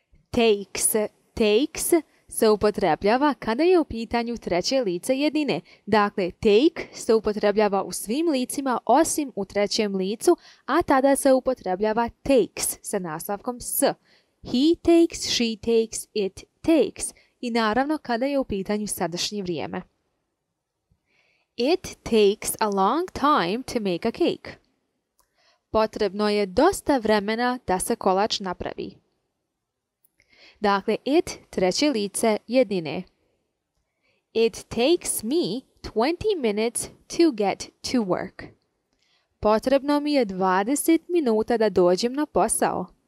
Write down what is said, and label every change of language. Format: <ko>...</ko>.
<bs>Takes. Takes se upotrebljava kada je u pitanju treće lice jedine. Dakle, take se upotrebljava u svim licima osim u trećem licu, a tada se upotrebljava takes sa naslovkom s.</bs> <en>He takes, she takes, it takes.</en> <bs>I naravno kada je u pitanju sadašnje vrijeme.</bs> <en>It takes a long time to make a cake.</en> <bs>Potrebno je dosta vremena da se kolač napravi. Dakle, it, treće lice, jednine.</bs> <en>It takes me 20 minutes to get to work.</en> <bs>Potrebno mi je 20 minuta da dođem na posao.</bs>